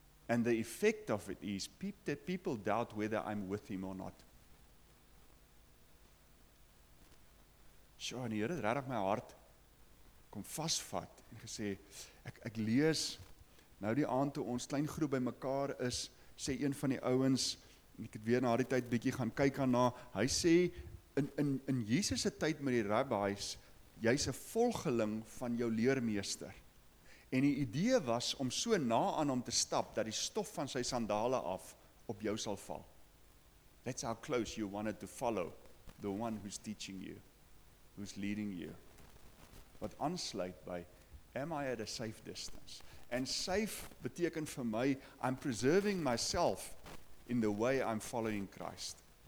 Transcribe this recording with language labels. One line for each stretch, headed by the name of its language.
English: And the effect of it is people doubt whether I'm with him or not.
Afrikaans: So, en die Here het regtig my hart kom vasvat en gesê, ek lees, nou die aand toe ons klein groep by mekaar is, sê een van die ouens, en ek het weer na die tyd bietjie gaan kyk daarna, hy sê, in Jesus se tyd met die rabbis, jy's 'n volgeling van jou leermeester. En die idee was om so na aan hom te stap, dat die stof van sy sandale af op jou sal val.
English: That's how close you wanted to follow the one who's teaching you, who's leading you.
Afrikaans: Wat aansluit by,
English: am I at a safe distance? And safe
Afrikaans: beteken vir my,
English: I'm preserving myself in the way I'm following Christ.